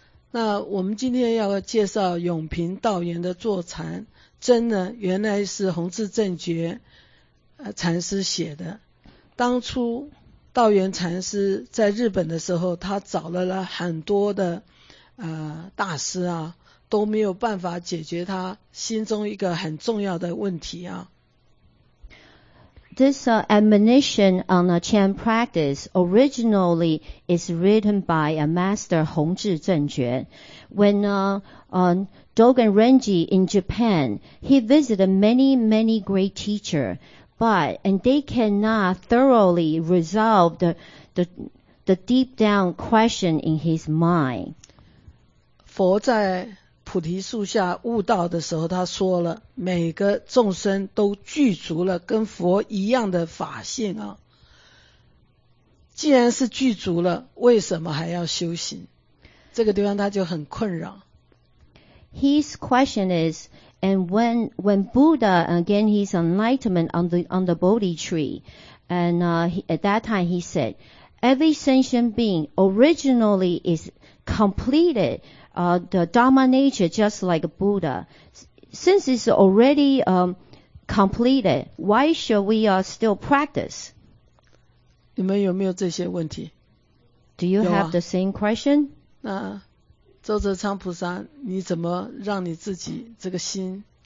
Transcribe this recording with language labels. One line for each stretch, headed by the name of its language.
Chinese: 那我们今天要介绍永平道元的坐禅，真的原来是弘智正觉禅师写的。当初道元禅师在日本的时候，他找了很多的大师啊，都没有办法解决他心中一个很重要的问题啊。
English: This admonition on a Chan practice originally is written by a master, 弘智正觉. When Dogen Renji in Japan, he visited many, many great teachers, and they cannot thoroughly resolve the deep down question in his mind.
Chinese: 佛在菩提树下悟道的时候，他说了，每个众生都具足了跟佛一样的法性啊。既然是具足了，为什么还要修行？这个地方他就很困扰。
English: His question is, and when Buddha gained his enlightenment on the Bodhi tree, and at that time he said, every sentient being originally is completed. The Dharma nature, just like Buddha, since it's already completed, why should we still practice?
Chinese: 你们有没有这些问题？
English: Do you have the same question?
Chinese: 那周泽昌菩萨，你怎么让你自己这个心？